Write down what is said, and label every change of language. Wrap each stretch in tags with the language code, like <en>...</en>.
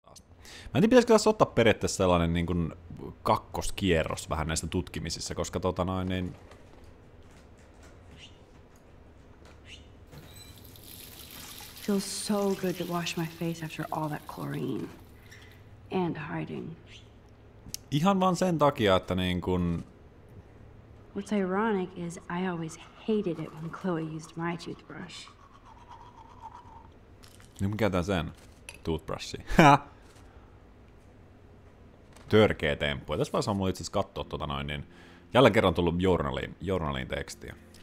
<fi>Mä en tiedä, pitäisikö tässä ottaa periaatteessa sellainen niin kuin kakkoskierros vähän näistä tutkimisissa, koska tota noin, niin...</fi> <en>Feels so good to wash my face after all that chlorine and hiding.</en> <fi>Ihan vaan sen takia, että niin kun...</fi> <en>What's ironic is I always hated it when Chloe used my toothbrush.</en> <fi>Niin mä käytän sen toothbrushi. Törkeä temppu. Tässä vaiheessa on mulla itse asiassa katsoa tota noin, niin jälleen kerran on tullut journaliin tekstiä.</fi>